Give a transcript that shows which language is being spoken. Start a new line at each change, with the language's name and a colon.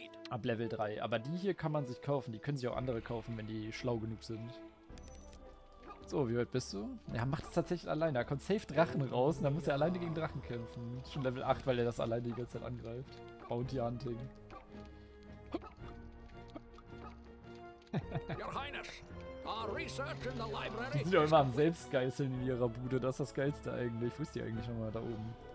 German: Ab Level 3. Aber die hier kann man sich kaufen. Die können sich auch andere kaufen, wenn die schlau genug sind. So, wie weit bist du? Ja, macht es tatsächlich alleine. Da kommt safe Drachen raus und dann muss er alleine gegen Drachen kämpfen. Schon Level 8, weil er das alleine die ganze Zeit angreift.
English: Bounty Hunting. Your Highness, our research in the library.
German: Die sind ja immer am Selbstgeißeln in ihrer Bude, das ist das Geilste eigentlich. Wo ist die eigentlich nochmal da oben?